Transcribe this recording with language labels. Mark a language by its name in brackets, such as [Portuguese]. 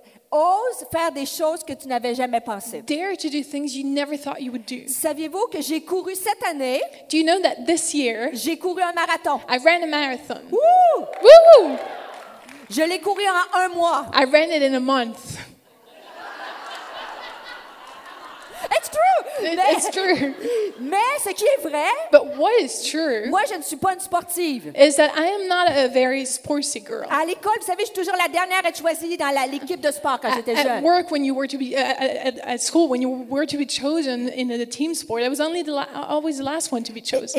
[French] Ose faire des choses que tu n'avais jamais pensé. [English] Dare to do things you never thought you would do. [French] Saviez-vous que j'ai couru cette année? [English] Do you know that this year? [French] J'ai couru un marathon. [English] I ran a marathon. Woo! Woo! [French] Je l'ai couru en un mois. [English] I ran it in a month. It's true. It's true. [French] Mais ce qui est vrai, [English] but what is true, [French] moi je ne suis pas une sportive. [English] Is that I am not a very sporty girl. [French] À l'école, vous savez, je suis toujours la dernière à être choisie dans l'équipe de sport quand j'étais jeune. [English] At work, when you were to be at school, when you were to be chosen in the team sport, I was only always the last one to be chosen.